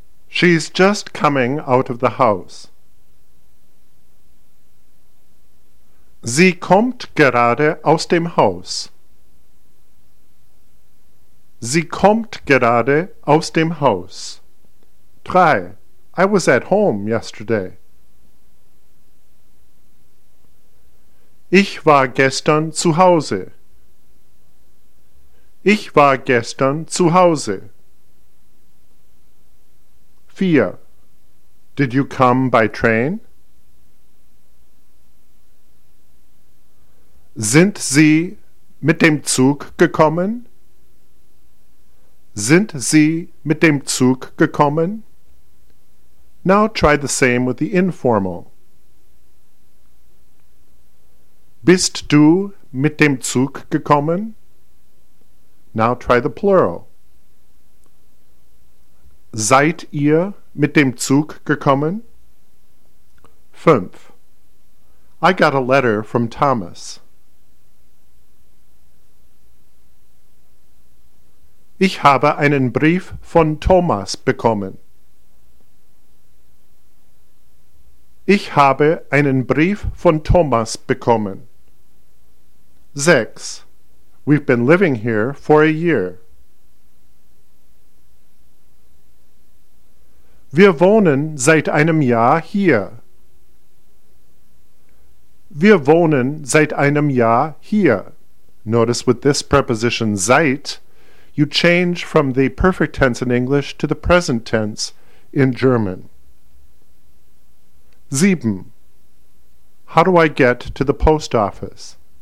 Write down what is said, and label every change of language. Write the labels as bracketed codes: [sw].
[en] She's just coming out of the house. [de] Sie kommt gerade aus dem Haus. Sie kommt gerade aus dem Haus. 3. [en] I was at home yesterday. [de] Ich war gestern zu Hause. Ich war gestern zu Hause. [en] 4. Did you come by train? [de] Sind Sie mit dem Zug gekommen? Sind Sie mit dem Zug gekommen? [en] Now try the same with the informal. [de] Bist du mit dem Zug gekommen? [en] Now try the plural. [de] Seid ihr mit dem Zug gekommen? 5. [en] I got a letter from Thomas. [de] Ich habe einen Brief von Thomas bekommen. Ich habe einen Brief von Thomas bekommen. 6. [en] We've been living here for a year. [de] Wir wohnen seit einem Jahr hier. Wir wohnen seit einem Jahr hier. [en] Notice with this preposition seit, you change from the perfect tense in English to the present tense in German. 7. How do I get to the post office?